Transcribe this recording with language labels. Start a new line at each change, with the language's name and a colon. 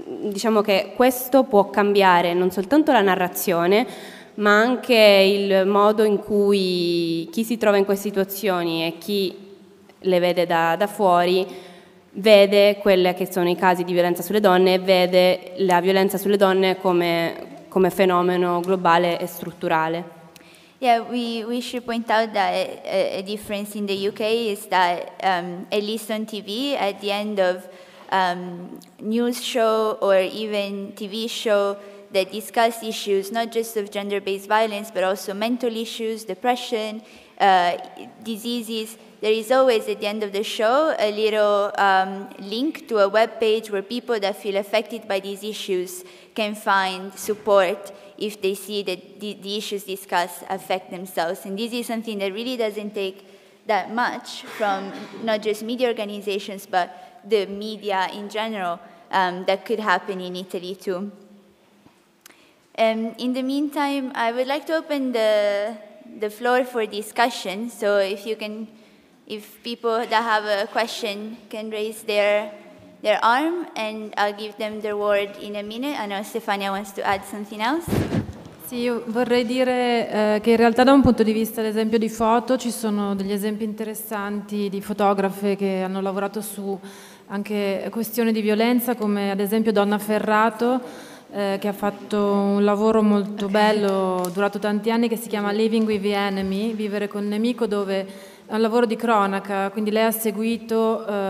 Italian: Diciamo che questo può cambiare non soltanto la narrazione, ma anche il modo in cui chi si trova in queste situazioni e chi le vede da fuori vede quelli che sono i casi di violenza sulle donne e vede la violenza sulle donne come fenomeno globale e strutturale.
English: Yeah, we should point out that a difference in the UK is that at least on TV at the end of news show or even TV show that discuss issues not just of gender-based violence but also mental issues, depression, diseases, there is always at the end of the show a little link to a web page where people that feel affected by these issues can find support if they see that the issues discussed affect themselves. And this is something that really doesn't take that much from not just media organizations but the media in general, that could happen in Italy too. In the meantime, I would like to open the floor for discussion. So if people that have a question can raise their arm and I'll give them the word in a minute. I know Stefania wants to add something else.
Italian: Sì, io vorrei dire che in realtà da un punto di vista ad esempio di foto ci sono degli esempi interessanti di fotografe che hanno lavorato su anche questioni di violenza, come ad esempio Donna Ferrato, che ha fatto un lavoro molto bello, durato tanti anni, che si chiama Living with the Enemy, vivere con il nemico, dove è un lavoro di cronaca, quindi lei ha seguito